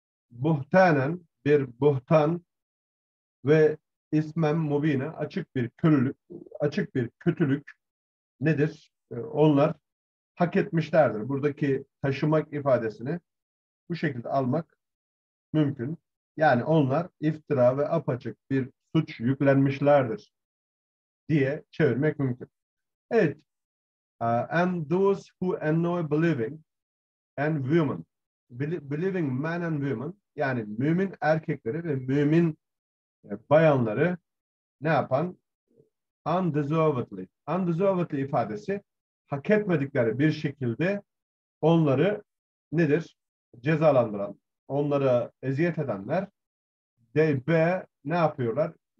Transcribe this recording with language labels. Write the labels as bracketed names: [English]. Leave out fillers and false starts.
[Turkish] Buhtanen bir buhtan ve ismen mubine açık bir kötülük açık bir kötülük nedir? Onlar hak etmişlerdir. Buradaki taşımak ifadesini bu şekilde almak mümkün. Yani onlar iftira ve apaçık bir suç yüklenmişlerdir diye çevirmek mümkün. Evet. [English] And those who annoy believing and women. Believing men and women. [Turkish] Yani mümin erkekleri ve mümin bayanları ne yapan? [English] Undeservedly. Undeservedly [Turkish] ifadesi hak etmedikleri bir şekilde onları nedir? Cezalandıran, onlara eziyet edenler de ne yapıyorlar?